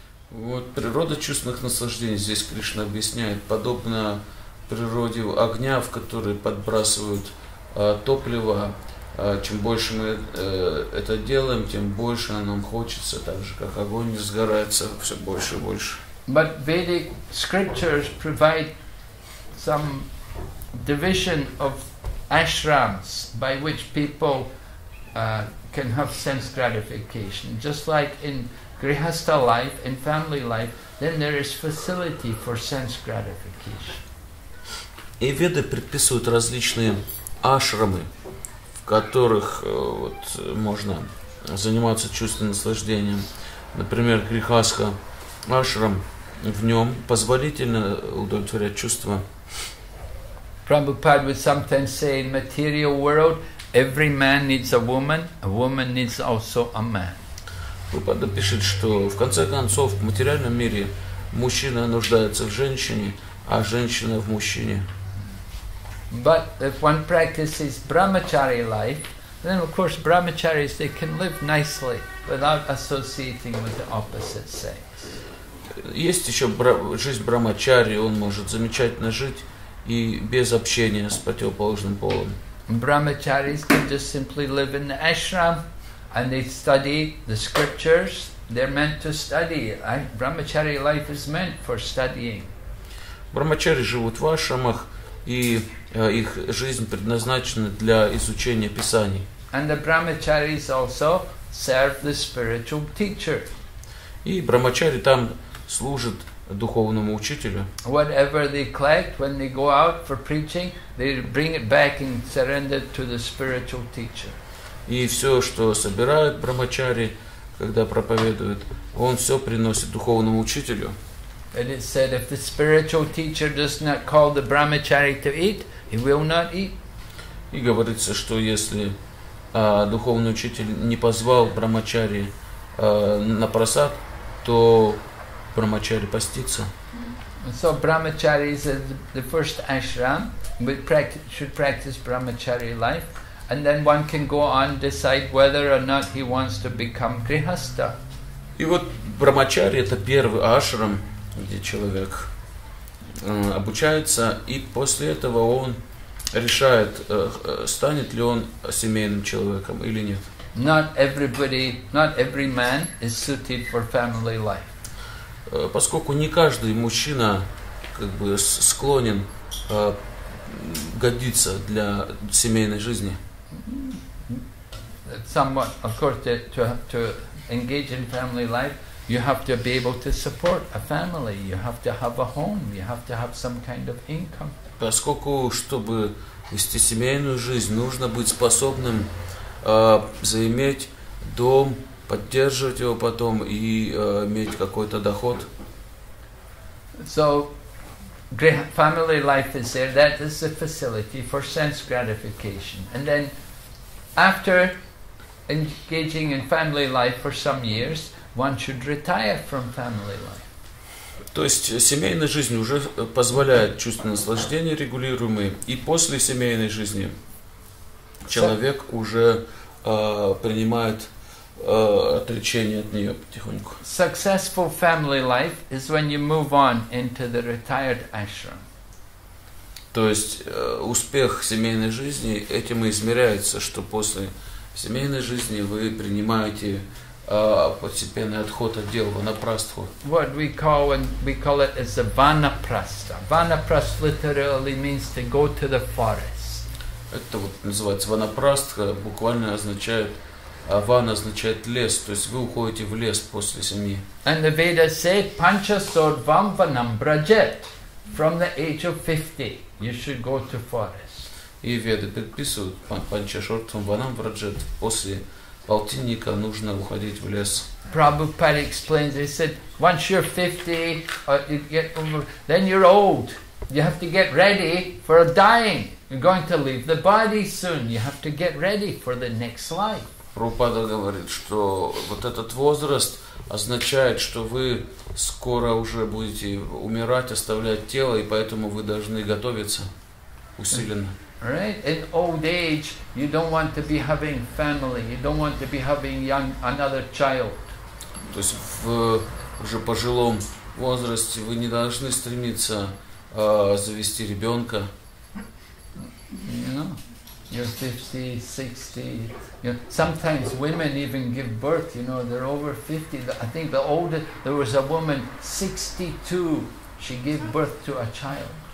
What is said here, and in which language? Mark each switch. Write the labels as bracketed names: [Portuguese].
[Russian] Вот природа чувственных наслаждений, здесь Кришна объясняет, подобно природе огня, в который подбрасывают топливо, чем больше мы это делаем, тем больше нам хочется, так же как огонь сгорается все больше и больше. [English] But Vedic scriptures provide some division of ashrams by which people can have sense gratification, just like in Grihastha life, in family life, then there is facility for sense gratification. [Russian] И веды предписывают различные ашрамы, в которых вот можно заниматься чувственным наслаждением. Например, грихастха ашрам, в нем позволительно удовлетворять чувства. [English] Prabhupada would sometimes say, in material world, every man needs a woman needs also a man. [Russian] Прабхупада пишет, что в конце концов в материальном мире мужчина нуждается в женщине, а женщина в мужчине. [English] But if one practices brahmachari life, then of course brahmacharis they can live nicely without associating with the opposite sex. [Russian] Есть еще жизнь брахмачари, он может замечательно жить и без общения с противоположным полом. [English] Brahmacharis can just simply live in the ashram. And they study the scriptures. They're meant to study. Brahmachari life is meant for studying. [Russian] Brahmachari живут в ашрамах, и их жизнь предназначена для изучения писаний. [English] And the brahmacharis also serve the spiritual teacher. [Russian] И брахмачари там служат духовному учителю. [English] Whatever they collect when they go out for preaching, they bring it back and surrender to the spiritual teacher. [Russian] И все, что собирают брахмачари, когда проповедуют, он все приносит духовному учителю. [English] And it said, if the spiritual teacher does not call the brahmachari to eat, he will not eat. [Russian] И говорится, что если духовный учитель не позвал брахмачари на просад, то брахмачари постится. [English] So brahmachari is the first ashram. Should practice brahmachari life. And then one can go on decide whether or not he wants to become grihastha. [Russian] И вот брахмачари это первый ашрам, где человек обучается, и после этого он решает, станет ли он семейным человеком или нет. [English] Not every man is suited for family life. [Russian] Поскольку не каждый мужчина как бы склонен годиться для семейной жизни. [English] Somewhat, of course, to engage in family life, you have to be able to support a family. You have to have a home. You have to have some kind of income. [Russian] Поскольку чтобы вести семейную жизнь, нужно быть способным заиметь дом, поддерживать его потом и иметь какой-то доход. [English] So, family life is there. That is the facility for sense gratification, and then after engaging in family life for some years, one should retire from family life. [Russian] То есть семейная жизнь уже позволяет чувство наслаждения регулируемые, и после семейной жизни человек уже принимает отречение от нее потихоньку. [English] Successful family life is when you move on into the retired ashram. [Russian] То есть успех семейной жизни этим и измеряется, что после семейной жизни вы принимаете постепенный отход от дел, ванапрастху. [English] What we call it as a ванапрастха. Ванапрастха literally means to go to the forest. [Russian] Это вот называется ванапрастха, буквально означает, ван означает лес, то есть вы уходите в лес после семьи. [English] And the Veda said, [Sanskrit] panchasod vamvanam brajet, [English] from the age of 50, you should go to forest. [Russian] и веды предписывают [Sanskrit] панчашортам ванам враджет. [Russian] После полтинника нужно уходить в лес. [English] Prabhupada explains, they said, once you're 50, you get over, then you're old. You have to get ready for a dying. You're going to leave the body soon. You have to get ready for the next life. [Russian] Prabhupada говорит, что вот этот возраст означает, что вы скоро уже будете умирать, оставлять тело, и поэтому вы должны готовиться усиленно. [English] Right? In old age, you don't want to be having family. You don't want to be having young another child. [Russian] То есть в уже пожилом возрасте вы не должны стремиться завести ребенка. [English] You're 50, 60. You know, sometimes women even give birth, you know, they're over 50. I think the oldest, there was a woman, 62, she gave birth to a child.